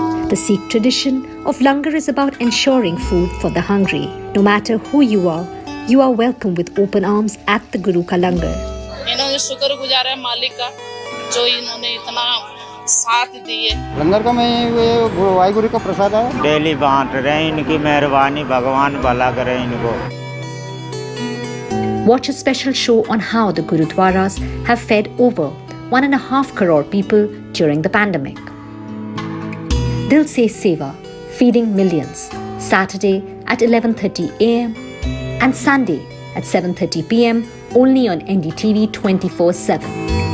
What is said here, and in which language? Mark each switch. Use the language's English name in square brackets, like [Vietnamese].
[English] The Sikh tradition of langar is about ensuring food for the hungry. No matter who you are welcome with open arms at the Guru ka langar. [Hindi] इन्होंने शुक्र गुजार है मालिक का जो इन्होंने इतना साथ दिए। लंगर का मैं ये वाहेगुरु का प्रसाद है। डेली बांट रहे हैं, इनकी मेहरबानी, भगवान भला करे इनको। [English] Watch a special show on how the Gurudwaras have fed over 1.5 crore people during the pandemic. Dil Se Seva, Feeding Millions, Saturday at 11:30 a.m. and Sunday at 7:30 p.m. only on NDTV 24/7.